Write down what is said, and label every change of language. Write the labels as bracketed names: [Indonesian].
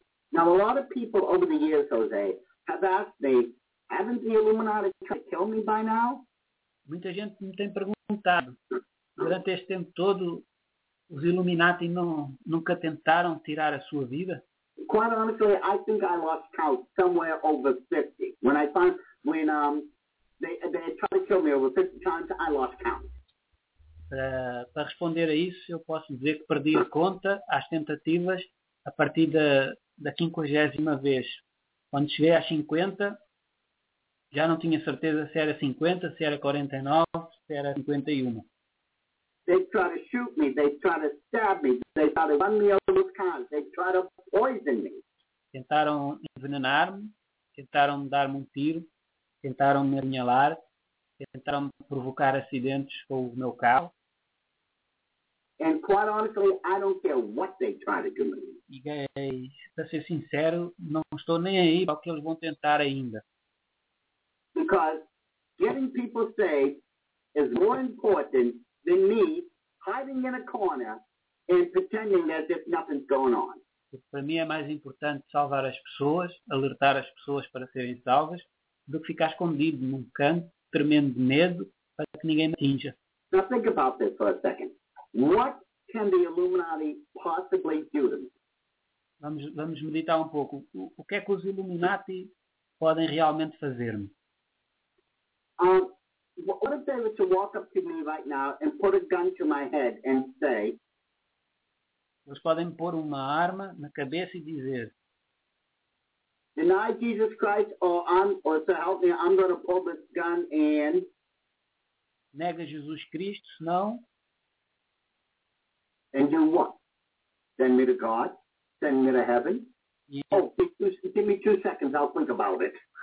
[English] Now, a lot of people over the years, Jose, have asked me, haven't the Illuminati tried to kill me by now? [Portuguese] Muita gente me tem perguntado, durante este tempo todo, os Illuminati nunca tentaram tirar a sua vida? [English] Quite honestly, I think I lost count somewhere over 50. When they tried to kill me over 50 times, I lost count. [Portuguese] Para responder a isso, eu posso dizer que perdi a conta às tentativas a partir da 50ª vez. Quando cheguei às 50, já não tinha certeza se era 50, se era 49, se era 51. [English] They try to shoot me, they try to stab me, they try to run me over with cars, they try to poison me. [Portuguese] Tentaram envenenar-me, tentaram dar-me um tiro, tentaram me apunhalar, tentaram provocar acidentes com o meu carro. [English] And quite honestly, I don't care what they try to do to me. [Portuguese] Para ser sincero, não estou nem aí para o que eles vão tentar ainda. [English] Because getting people safe is more important than me hiding in a corner and pretending as if nothing's going on. [Portuguese] Para mim é mais importante salvar as pessoas, alertar as pessoas para serem salvas, do que ficar escondido num canto, tremendo de medo, para que ninguém me atinja. [English] Now think about this for a second. What can the Illuminati possibly do to me? [Portuguese] Vamos meditar um pouco. O que é que os Illuminati podem realmente fazer-me? [English] What if they were to walk up to me right now and put a gun to my head and say, [Portuguese] eles podem pôr uma arma na cabeça e dizer, [English] deny Jesus Christ or to help me, I'm going to pull this gun and [Portuguese] nega Jesus Cristo, senão, [English] and do what? Send me to God? Send me to heaven? Yeah. Oh, give me 2 seconds, I'll think about it.